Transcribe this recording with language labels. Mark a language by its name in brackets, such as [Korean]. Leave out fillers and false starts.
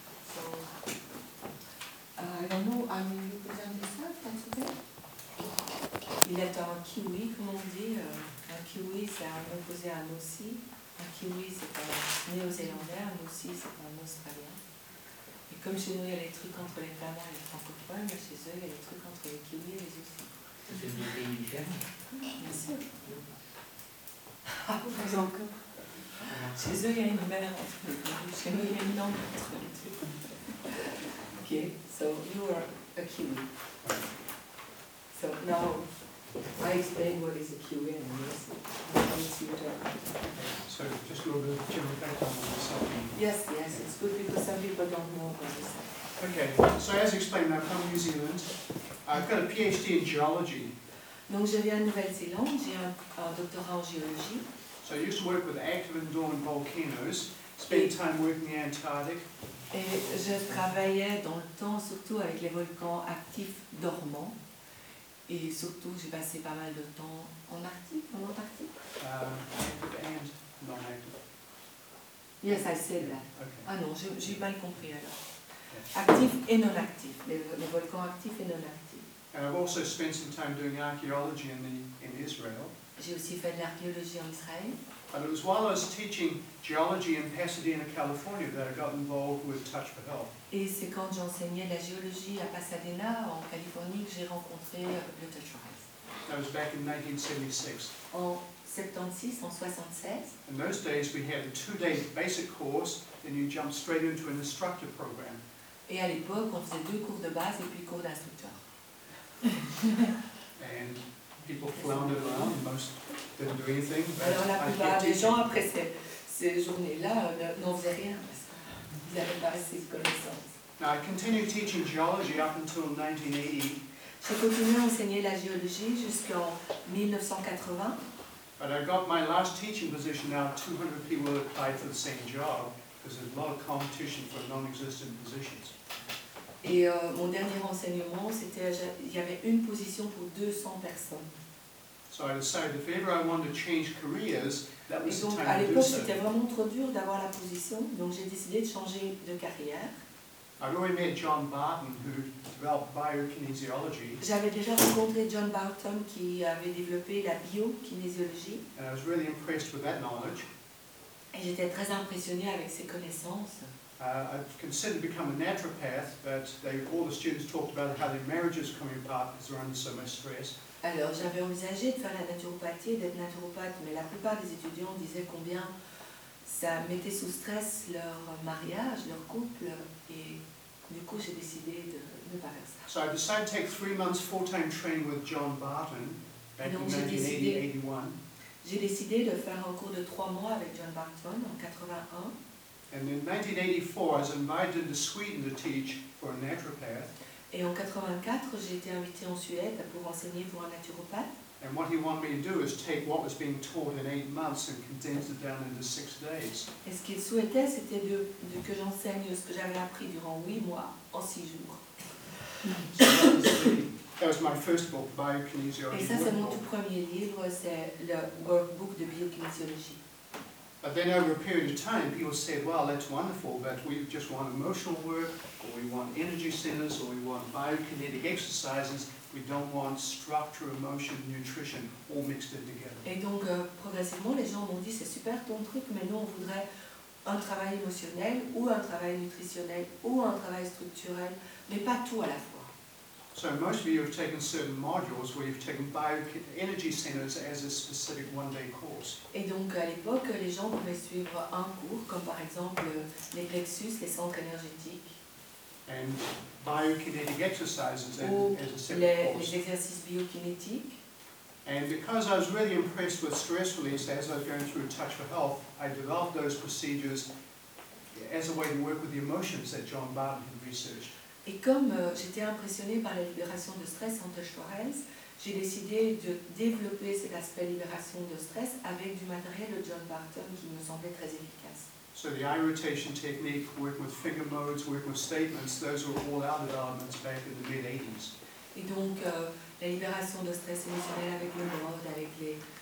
[English] So, I don't know, I'm looking at this for today. [French] Il est un kiwi, comme on dit. Un kiwi, c'est un opposé à un aussi. Un kiwi, c'est un néo-zélandais, un aussi, c'est un australien. Et comme chez nous, il y a les trucs entre les Flamands et les francophones, mais chez eux, il y a les trucs entre les kiwis et les aussi. Bien sûr. Ah, vous encore. Chez eux, il y a une mer entre les deux. Chez nous, il y a une langue entre les deux. [English] Ok, so you are a kiwi. So now, I explain what is a kiwi and an aussi. So, just a little bit of general background on the subject. Yes, yes, it's good because some people don't know about this. Okay, so as explained, I'm from New Zealand. I've got a PhD in geology. [French] Donc, je viens de Nouvelle-Zélande, j'ai un doctorat en géologie. [English] So, I used to work with active and dormant volcanoes, spent time working in the Antarctic. [French] Et je travaillais dans le temps surtout avec les volcans actifs dormants. Et surtout, j'ai passé pas mal de temps en Arctique, en Antarctique. [English] And non-active. Yes, I said that. Okay. [French] Ah non, j'ai mal compris alors. Actif et non-actif, les volcans actifs et non-actifs. [English] And I've also spent some time doing archaeology in Israel. [French] J'ai aussi fait de l'archéologie en Israël. [English] And it was while I was teaching geology in Pasadena, California, that I got involved with Touch for Health. [French] Et c'est quand j'enseignais la géologie à Pasadena, en Californie, que j'ai rencontré le Touch for Health. [English] That was back in 1976. [French] En 76, en 76. [English] In those days, we had a two-day basic course, then you jump straight into an instructor program. [French] Et à l'époque, on faisait deux cours de base et puis cours d'instructeur. [English] And people floundered around, most didn't do anything. [French] Alors la plupart des gens, après ces journées-là, n'en faisaient rien parce qu'ils n'avaient pas assez de connaissances. [English] Now, I continued teaching geology up until 1980. [French] J'ai continué à enseigner la géologie jusqu'en 1980. [English] But I got my last teaching position now, 200 people applied for the same job. Because there's a lot of competition for non-existent positions. [French] Et mon dernier enseignement, c'était il y avait une position pour 200 personnes. [English] So I decided if ever I wanted to change careers, that was [French] donc, [English] the time to do so. [French] À l'époque, c'était vraiment trop dur d'avoir la position, donc j'ai décidé de changer de carrière. [English] I'd already met John Barton, who developed biokinesiology. [French] J'avais déjà rencontré John Barton, qui avait développé la biokinésiologie. [English] And I was really impressed with that knowledge. [French] Et j'étais très impressionné avec ses connaissances. [English] I've considered become a naturopath, but all the students talked about how their marriage is coming apart because they're under so much stress. [French] Alors j'avais envisagé de faire la naturopathie, d'être naturopathe, mais la plupart des étudiants disaient combien ça mettait sous stress leur mariage, leur couple, et du coup j'ai décidé de ne pas faire ça. [English] So I decided to take 3 months full-time training with John Barton back [French] donc, [English] in 1981. [French] J'ai décidé de faire un cours de 3 mois avec John Barton en 81. [English] And in 1984, I was invited to Sweden to teach for a naturopath. [French] Et en 84, j'ai été invité en Suède pour enseigner pour un naturopathe. [English] And what he wanted me to do is take what was being taught in 8 months and condense it down into 6 days. [French] Et ce qu'il souhaitait, c'était de que j'enseigne ce que j'avais appris durant 8 mois en 6 jours. [English] That was my first book, biokinesiology. [French] Et ça, c'est mon tout premier livre, c'est le workbook de biokinesiologie. [English] But then over a period of time, people said, well, that's wonderful, but we just want emotional work, or we want energy centers, or we want biokinetic exercises, we don't want structure, emotion, nutrition, all mixed in together. [French] Et donc, progressivement, les gens m'ont dit, c'est super ton truc, mais nous, on voudrait un travail émotionnel, ou un travail nutritionnel, ou un travail structurel, mais pas tout à la fois. [English] So most of you have taken certain modules where you've taken bioenergy centers as a specific one-day course. [French] Et donc à l'époque, les gens pouvaient suivre un cours, comme par exemple les plexus, les centres énergétiques. [English] And biokinetic exercises as a separate [French] les, [English] course. [French] Les exercices biokinétiques. [English] And because I was really impressed with stress release as I was going through Touch for Health, I developed those procedures as a way to work with the emotions that John Barton had researched. [French] Et comme j'étais impressionnée par la libération de stress en Touch for Health, j'ai décidé de développer cet aspect libération de stress avec du matériel de John Barton qui me semblait très efficace. [English] So the eye rotation technique, work with finger modes, work with statements, those were all our developments back in the mid-80s. [French] Et donc, la libération de stress émotionnel avec le mode, avec les